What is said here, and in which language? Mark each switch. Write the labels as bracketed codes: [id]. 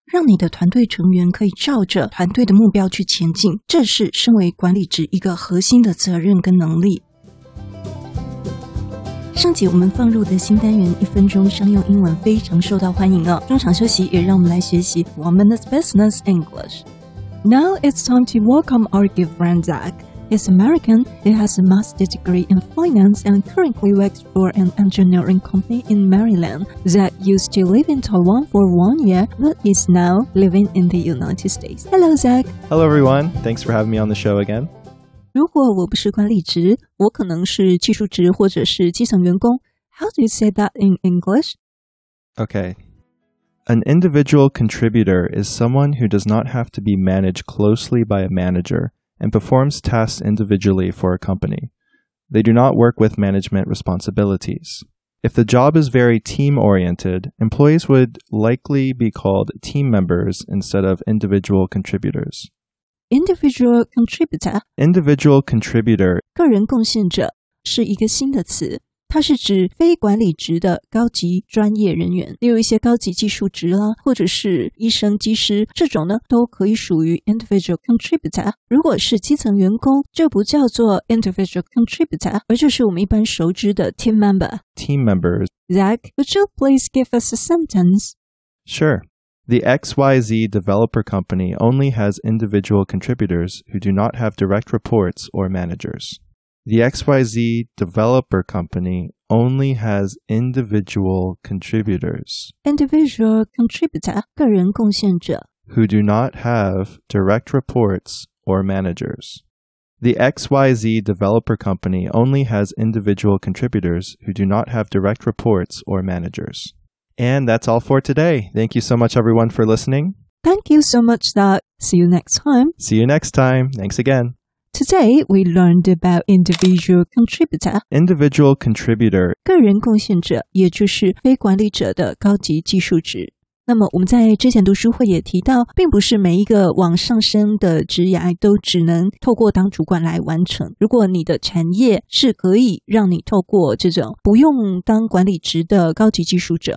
[zh] 让你的团队成员可以照着团队的目标去前进，这是身为管理职一个核心的责任跟能力。上集我们放入的新单元一分钟商用英文非常受到欢迎哦。中场休息也让我们来学习 Women's Business English。 [en] Now it's time to welcome our good friend Zach. He's American, he has a master's degree in finance and currently works for an engineering company in Maryland. Zach used to live in Taiwan for 1 year, but is now living in the United States. Hello, Zach. Hello, everyone. Thanks for having me on the show again. [zh] 如果我不是管理职，我可能是技术职或者是基层员工。 [en] How do you say that in English? Okay. An individual contributor is someone who does not have to be managed closely by a manager. And performs tasks individually for a company. They do not work with management responsibilities. If the job is very team-oriented, employees would likely be called team members instead of individual contributors. Individual contributor? Individual contributor. [zh] 个人贡献者是一个新的词，它是指非管理职的高级专业人员，例如一些高级技术职啦，或者是医生、技师，这种呢都可以属于 individual contributor。如果是基层员工，就不叫做 individual contributor， 而就是我们一般熟知的 team member。 [en] Team members. Zach, would you please give us a sentence? Sure. The XYZ developer company only has individual contributors who do not have direct reports or managers. The XYZ developer company only has individual contributors. Individual contributor, [zh] 个人贡献者。 [en] Who do not have direct reports or managers. The XYZ developer company only has individual contributors who do not have direct reports or managers. And that's all for today. Thank you so much, everyone, for listening. Thank you so much, Doc. See you next time. See you next time. Thanks again. Today, we learned about individual contributor. Individual contributor. [zh] 个人贡献者，也就是非管理者的高级技术职。那么我们在之前读书会也提到，并不是每一个往上升的职涯都只能透过当主管来完成。如果你的产业是可以让你透过这种不用当管理职的高级技术者，